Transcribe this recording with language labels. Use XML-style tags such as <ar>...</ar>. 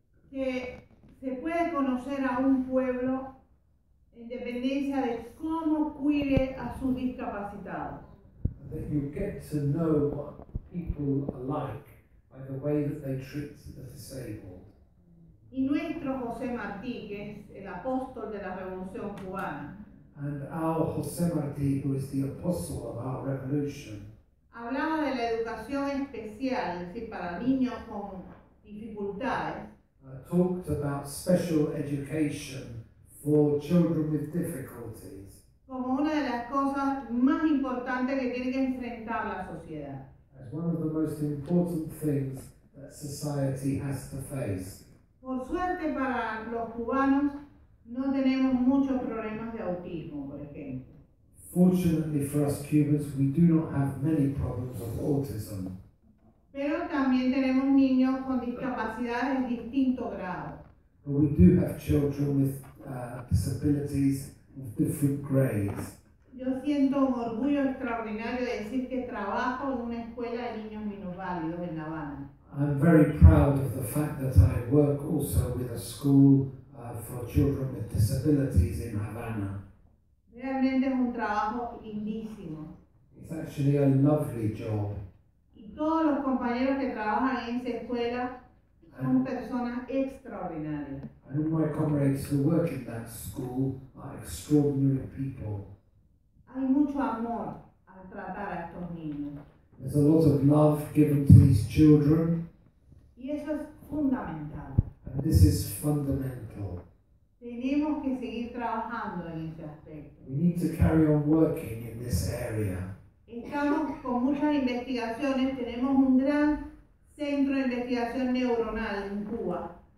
<es>que se puede conocer a un pueblo en dependencia de cómo cuide a sus discapacitados.</es> <en>That you get to know what people are like by the way that they treat the disabled.</en> <es>Y nuestro José Martí, que es el apóstol de la Revolución Cubana.</es> <en>And our José Martí, who is the apostle of our revolution.</en> <es>Hablaba de la educación especial, es decir, para niños con dificultades.</es> <en>Talked about special education for children with difficulties.</en> <es>Como una de las cosas más importantes que tiene que enfrentar la sociedad.</es> <en>As one of the most important things that society has to face.</en> <es>Por suerte para los cubanos, no tenemos muchos problemas de autismo, por ejemplo.</es> <en>Fortunately for us Cubans, we do not have many problems of autism.</en> <es>Pero también tenemos niños con discapacidades en distinto grado.</es> <en>But we do have children with disabilities of different grades.</en> <es>Yo siento un orgullo extraordinario de decir que trabajo en una escuela de niños minusválidos en La Habana.</es> <en>I'm very proud of the fact that I work also with a school for children with disabilities in Havana.</en> <es>Realmente es un trabajo lindísimo.</es> <en>It's actually a lovely job.</en> <es>Y todos los compañeros que trabajan en esa escuela son personas extraordinarias.</es> <en>And my comrades who work in that school are extraordinary people.</en> <es>Hay mucho amor al tratar a estos niños.</es> <en>There's a lot of love given to these children.</en> <es>Y eso es fundamental.</es> <en>And this is fundamental.</en> <es>Tenemos que seguir trabajando en este aspecto.</es> <en>We need to carry on working in this area.</en> <es>Estamos con muchas investigaciones. Tenemos un gran centro de investigación neuronal en Cuba.</es>